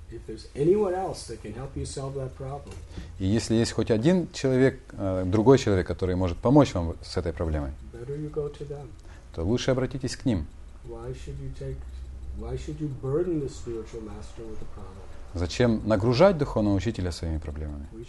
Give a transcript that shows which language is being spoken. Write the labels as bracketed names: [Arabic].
[English] if there's anyone else that can help you solve that problem, [Russian] и если есть хоть один человек, другой человек, который может помочь вам с этой проблемой, [English] better you go to them. [Russian] То лучше обратитесь к ним. [English] Why should you burden the spiritual master with a problem? [Russian] Зачем нагружать духовного учителя своими проблемами?